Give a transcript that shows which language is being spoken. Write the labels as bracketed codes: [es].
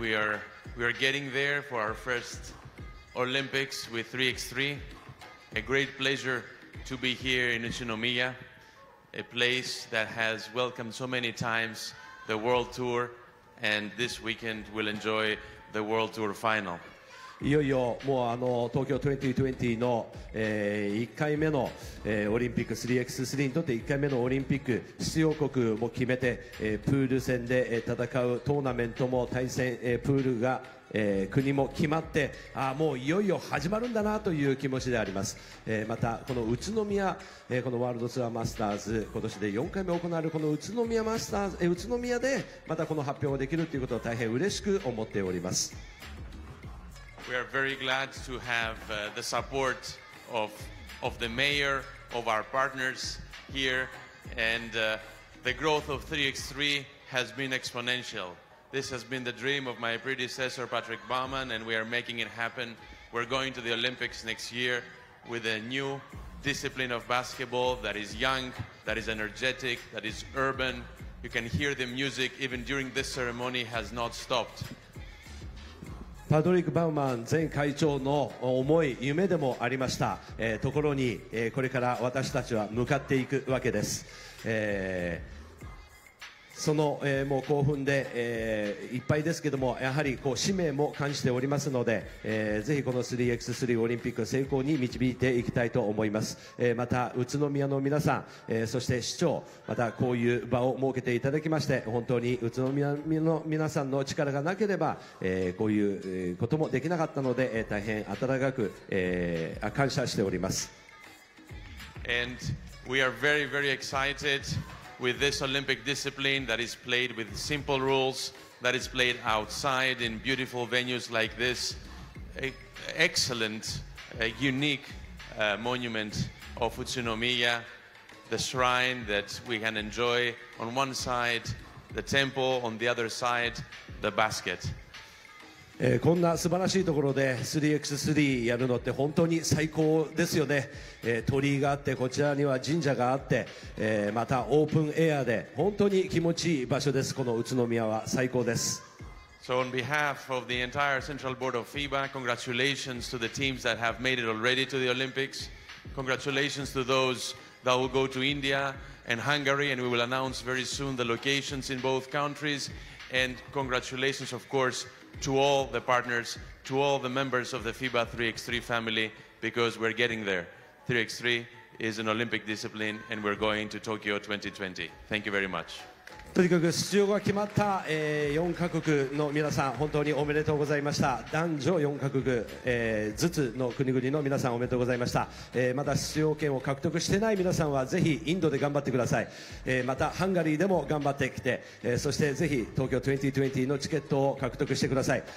[en] We are getting there for our first Olympics with 3x3. A great pleasure to be here in Utsunomiya, a place that has welcomed so many times the World Tour, and this weekend we'll enjoy the World Tour final. [ja] いよいよもうあの東京2020の、1回目の、オリンピック 3x3 にとって1回目のオリンピック出場国も決めて、プール戦で戦うトーナメントも対戦、プールが国も決まってあもういよいよ始まるんだなという気持ちであります、またこの宇都宮、このワールドツアーマスターズ今年で4回目行われるこの宇都宮マスターズ、宇都宮でまたこの発表ができるということを大変嬉しく思っております [en] We are very glad to have the support of the mayor of our partners here and the growth of 3x3 has been exponentialThis has been the dream of my predecessor, Patrick Bauman, and we are making it happen. We're going to the Olympics next year with a new discipline of basketball that is young, that is energetic, that is urban. You can hear the music even during this ceremony has not stopped. [ja] パトリック・バウマン前会長の思い夢でもありました、ところに、これから私たちは向かっていくわけです、その、もう興奮で、いっぱいですけどもやはりこう使命も感じておりますので、ぜひこの 3x3 オリンピック成功に導いていきたいと思います、また宇都宮の皆さん、そして市長またこういう場を設けていただきまして本当に宇都宮の皆さんの力がなければ、こういうこともできなかったので、大変温かく、感謝しております [en] And we are very, very excitedWith this Olympic discipline that is played with simple rules, that is played outside in beautiful venues like this, excellent, unique monument of Utsunomiya, the shrine that we can enjoy on one side, the temple, on the other side, the basket. [ja] こんな素晴らしいところで 3x3 やるのって本当に最高ですよね、鳥居があってこちらには神社があって、またオープンエアで本当に気持ちいい場所ですこの宇都宮は最高です [en] So on behalf of the entire Central Board of FIBA Congratulations to the teams that have made it already to the Olympics Congratulations to those that will go to India and Hungary And we will announce very soon the locations in both countries And congratulations of courseTo all the partners, to all the members of the FIBA 3x3 family, because we're getting there. 3x3 is an Olympic discipline, and we're going to Tokyo 2020. Thank you very much. [ja] とにかく出場が決まった、4カ国の皆さん本当におめでとうございました。男女4カ国、ずつの国々の皆さんおめでとうございました、まだ出場権を獲得してない皆さんはぜひインドで頑張ってください、またハンガリーでも頑張ってきて、そしてぜひ東京2020のチケットを獲得してください。